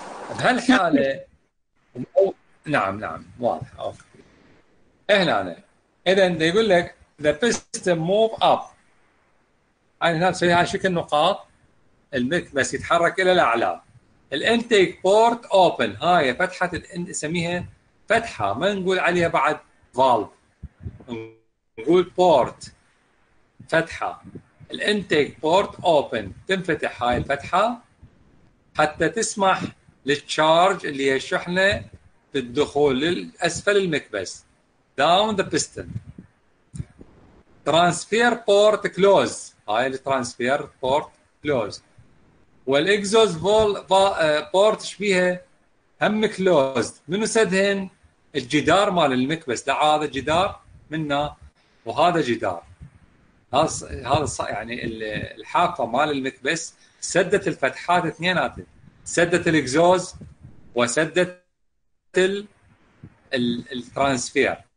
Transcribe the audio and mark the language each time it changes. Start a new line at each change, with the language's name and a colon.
Arabic: بهالحاله نعم نعم واضح اوكي هنا اذا يقول لك
English: the piston move up
Arabic: يعني نسوي هاي شكل نقاط المكبس يتحرك الى الاعلى الانتيك بورت اوبن هاي فتحه نسميها فتحه ما نقول عليها بعد فالف نقول بورت فتحه الانتيك بورت اوبن تنفتح هاي الفتحه حتى تسمح للتشارج اللي هي شحنة بالدخول للأسفل المكبس
English: down the piston. transfer port close
Arabic: هاي اللي
English: transfer port close.
Arabic: والإكزوز بورت شبيهة هم كلوزد منو سدهن الجدار مال المكبس ده هذا جدار منه وهذا جدار هذا يعني الحافة مال المكبس سدت الفتحات اثنينات سدت الإكزوز وسدت الترانسفير